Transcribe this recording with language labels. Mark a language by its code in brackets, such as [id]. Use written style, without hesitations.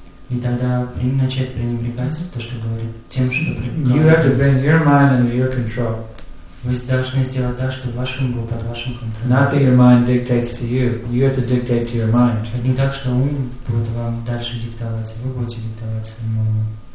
[ru] И тогда начать пренебрегать то, что говорит, тем, что [en] you have to bring your mind under your control. [ru] Вы должны сделать так, чтобы ваш ум был под вашим контролем. [en] Not that your mind dictates to you. You have to dictate to your mind. [ru] Это не так, что ум будет вам дальше диктовать, вы будете диктовать своему уму.